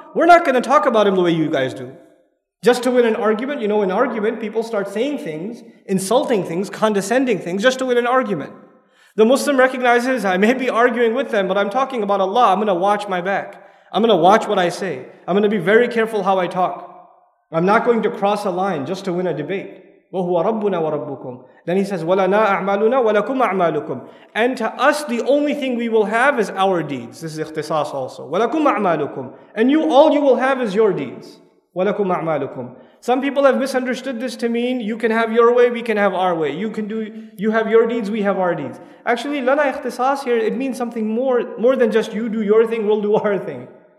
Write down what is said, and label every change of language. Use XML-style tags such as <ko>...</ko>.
<en>We're not going to talk about Him the way you guys do. Just to win an argument, you know, in argument, people start saying things, insulting things, condescending things, just to win an argument. The Muslim recognizes, I may be arguing with them, but I'm talking about Allah, I'm going to watch my back. I'm going to watch what I say. I'm going to be very careful how I talk. I'm not going to cross a line just to win a debate.</en> <ar>وَهُوَ رَبُّنَا وَرَبُّكُمْ.</ar> <en>Then he says,</en> <ar>وَلَنَا أَعْمَالُنَا وَلَكُمْ أَعْمَالُكُمْ.</ar> <en>And to us, the only thing we will have is our deeds. This is ikhtisas also.</en> <ar>وَلَكُمْ أَعْمَالُكُمْ.</ar> <en>And you, all you will have is your deeds.</en> <ar>وَلَكُمْ أَعْمَالُكُمْ.</ar> <en>Some people have misunderstood this to mean, you can have your way, we can have our way. You have your deeds, we have our deeds. Actually,</en> <ar>لَنَا اِخْتِصَاص</ar> <en>here, it means something more than just you do your thing, we'll do our thing.</en>